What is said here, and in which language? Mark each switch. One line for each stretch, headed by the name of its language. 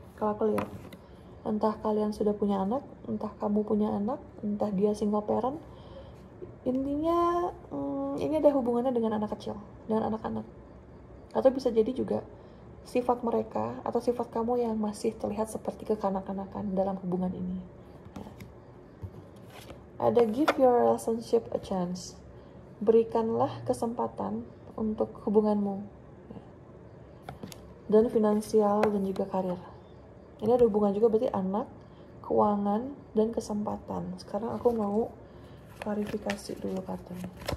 Indonesian: Kalau aku lihat, entah kalian sudah punya anak, entah kamu punya anak, entah dia single parent. Intinya ini ada hubungannya dengan anak kecil, dengan anak-anak. Atau bisa jadi juga sifat mereka atau sifat kamu yang masih terlihat seperti kekanak-kanakan dalam hubungan ini. Ada
English: give your relationship a chance.
Indonesian: Berikanlah kesempatan untuk hubunganmu dan finansial dan juga karir. Ini ada hubungan juga, berarti anak, keuangan dan kesempatan. Sekarang aku mau klarifikasi dulu kartunya.